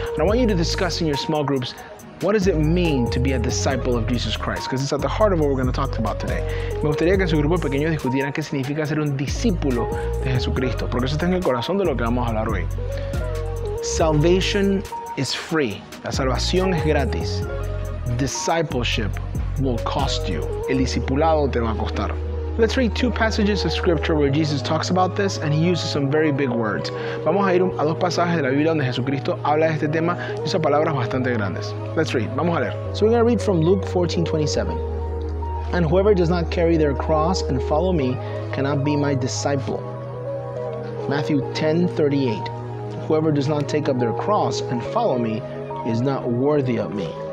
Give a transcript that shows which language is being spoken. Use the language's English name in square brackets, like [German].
[English] And I want you to discuss in your small groups, what does it mean to be a disciple of Jesus Christ? Because it's at the heart of what we're going to talk about today. [Spanish] Me gustaría que en su grupo pequeño discutieran qué significa ser un discípulo de Jesucristo. Porque eso está en el corazón de lo que vamos a hablar hoy. [English] Salvation is free. [Spanish] La salvación es gratis. [English] Discipleship will cost you. [Spanish] El discipulado te va a costar. [English] Let's read two passages of scripture where Jesus talks about this and he uses some very big words. [Spanish] Vamos a ir a dos pasajes de la Biblia donde Jesucristo habla de este tema y usa palabras bastante grandes. [English] Let's read. [Spanish] Vamos a leer. [English] So we're going to read from Luke 14:27. And whoever does not carry their cross and follow me cannot be my disciple. Matthew 10:38. Whoever does not take up their cross and follow me is not worthy of me.